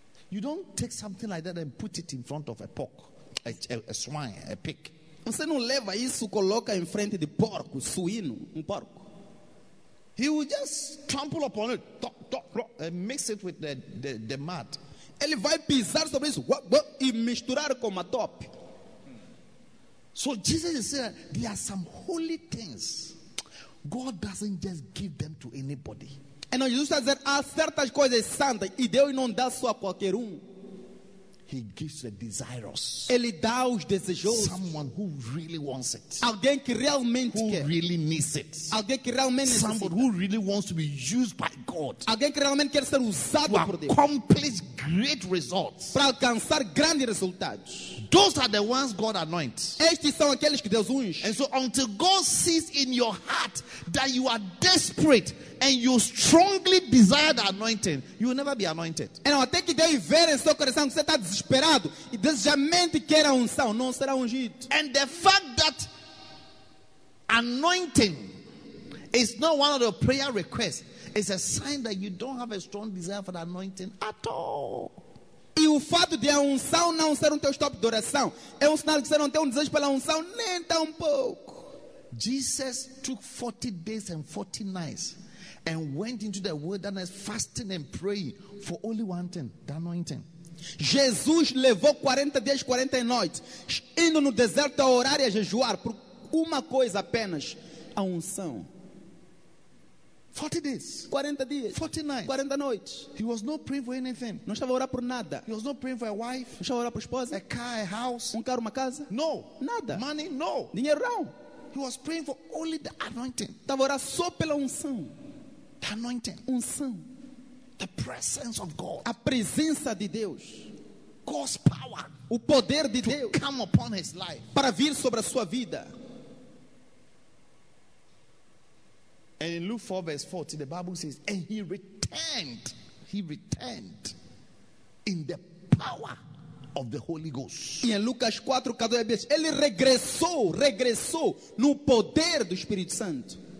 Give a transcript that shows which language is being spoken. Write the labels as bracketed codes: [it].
[en] You don't take something like that and put it in front of a pork, a swine, a pig. [pt] Você não leva isso, coloca em frente de porco, suíno, porco. [en] He will just trample upon it, talk, and mix it with the mud. [pt] Ele vai pisar sobre isso e misturar com a top. [en] So Jesus is saying there are some holy things God doesn't just give them to anybody. And [pt] Jesus está dizendo, há certas coisas santas e Deus não dá só a qualquer [en] He gives the desirous. [pt] Ele dá os desejosos. [en] Someone who really wants it. [pt] Alguém que realmente [en] who [pt] quer. [en] Really needs it. [pt] Alguém que realmente [en] somebody [pt] necessita. [en] Who really wants to be used by God. [pt] Alguém que realmente quer ser usado [en] to [pt] por Deus. [en] Accomplish great results. [pt] Para alcançar grandes resultados. [en] Those are the ones God anoints. [pt] Estes são aqueles que Deus unge. [en] And so until God sees in your heart that you are desperate and you strongly desire the anointing, you will never be anointed. [pt] Então até que Deus ver em seu coração que você está desesperado e desejamente quer a unção, não será ungido. [en] And the fact that anointing is not one of the prayer requests is a sign that you don't have a strong desire for the anointing at all. [pt] E o fato de a unção não ser teu stop de oração é sinal que você não tem desejo pela unção nem tão pouco. [en] Jesus took 40 days and 40 nights and went into the wilderness fasting and praying for only one thing, the anointing. [pt] Jesus levou 40 dias, 40 noites, indo no deserto a orar e a jejuar por uma coisa apenas, a unção. [en] 40 days. [pt] 40 dias. [en] 40 nights. [pt] 40 noites. [en] He was not praying for anything. [pt] Não estava a orar por nada. [en] He was not praying for a wife. [pt] Não estava a orar por esposa. [en] A car, a house. [pt] Carro, uma casa. [en] No. [pt] Nada. [en] Money, no. [pt] Dinheiro, não. [en] He was praying for only the anointing. [pt] Estava a orar só pela unção. [en] The anointing. [pt] Unção. [en] The presence of God. [pt] A presença de Deus. [en] God's power. [pt] O poder de Deus. [en] To come upon his life. [pt] Para vir sobre a sua vida. [en] And in Luke 4 verse 40, the Bible says, and he returned in the power of the Holy Ghost. [pt] E em Lucas 4, 14, ele regressou no poder do Espírito Santo.